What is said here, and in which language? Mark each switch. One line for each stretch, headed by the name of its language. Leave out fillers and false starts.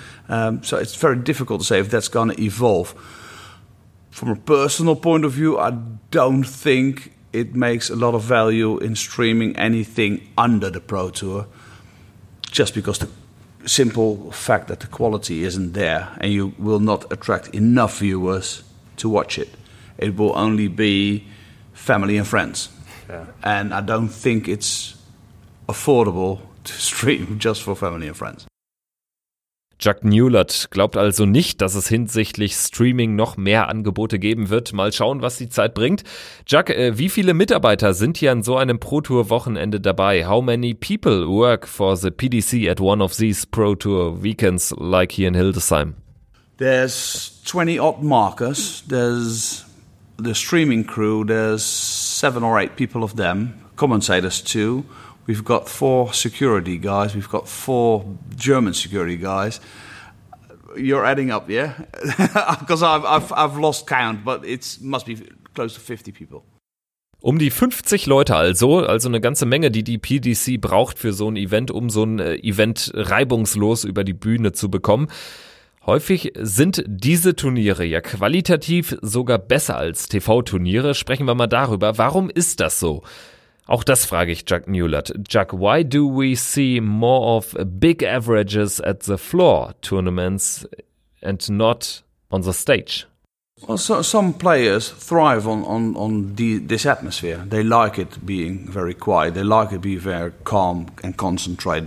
English: So it's very difficult to say if that's going to evolve. From a personal point of view, I don't think it makes a lot of value in streaming anything under the Pro Tour, just because the simple fact that the quality isn't there and you will not attract enough viewers to watch it. It will only be family and friends. Yeah. And I don't think it's affordable to stream just for family and friends.
German: Jack Newlett glaubt also nicht, dass es hinsichtlich Streaming noch mehr Angebote geben wird. Mal schauen, was die Zeit bringt. Jack, wie viele Mitarbeiter sind hier an so einem Pro Tour Wochenende dabei?
English: How many people work for the PDC at one of these Pro Tour weekends like here in Hildesheim? There's 20 odd markers. There's the streaming crew. There's 7 or 8 people of them. Commentators too. We've got 4 security guys. We've got 4 German security guys. You're adding up, yeah? Because I've lost count, but it must be close to 50 people.
German: Um die 50 Leute also eine ganze Menge, die die PDC braucht für so ein Event, um so ein Event reibungslos über die Bühne zu bekommen. Häufig sind diese Turniere ja qualitativ sogar besser als TV-Turniere. Sprechen wir mal darüber. Warum ist das so? Auch das frage ich Jack Newlett.
English: Jack, why do we see more of big averages at the floor tournaments and not on the stage? Well, so some players thrive on this atmosphere. They like it being very quiet. They like it being very calm and concentrated.